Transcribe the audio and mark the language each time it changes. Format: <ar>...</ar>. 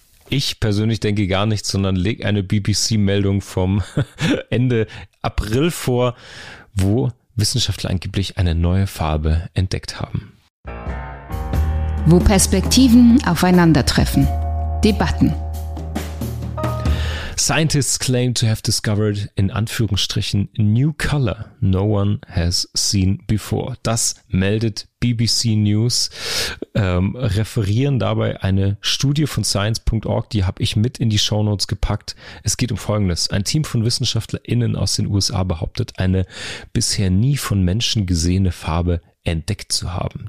<de>Ich persönlich denke gar nichts, sondern leg eine BBC-Meldung vom Ende April vor, wo Wissenschaftler angeblich eine neue Farbe entdeckt haben. Wo Perspektiven aufeinandertreffen. Debatten.</de> <en>Scientists claim to have discovered,</en> <de>in Anführungsstrichen,</de> <en>new color no one has seen before.</en> <de>Das meldet BBC News, referieren dabei eine Studie von science.org, die habe ich mit in die Shownotes gepackt. Es geht um Folgendes. Ein Team von WissenschaftlerInnen aus den USA behauptet, eine bisher nie von Menschen gesehene Farbe entdeckt zu haben.</de>